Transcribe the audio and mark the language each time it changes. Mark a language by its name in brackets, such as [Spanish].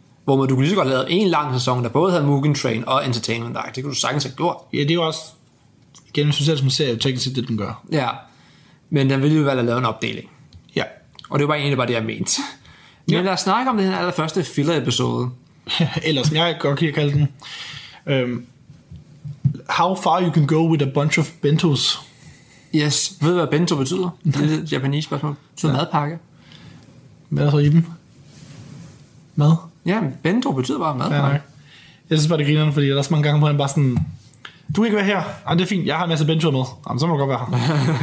[Danish] Hvor man, du kunne lige så godt have lavet en lang sæson, der både havde Mugen Train og Entertainment Act. Det kunne du sagtens have gjort. Ja, det er jo også, gennem socialt som en serie, teknisk set det, den gør. Ja, men den ville jo valgt at lave en opdeling. Ja. Og det var egentlig bare det, jeg mente. Men lad os snakke om den allerførste filler-episode. Ellers, jeg kan godt kalde den... [English] How far you can go with a bunch of bentos? Yes. [Danish] Ved du, hvad bento betyder? Det er et japanisk spørgsmål. Det betyder madpakke. Hvad er så i dem? Mad? Ja, bento betyder bare madpakke. Ja, jeg synes bare, det griner, fordi der er så mange gange, hvor han bare sådan... Du kan ikke være her. Jamen, det er fint. Jeg har en masse bento med. Jamen, så må du godt være her.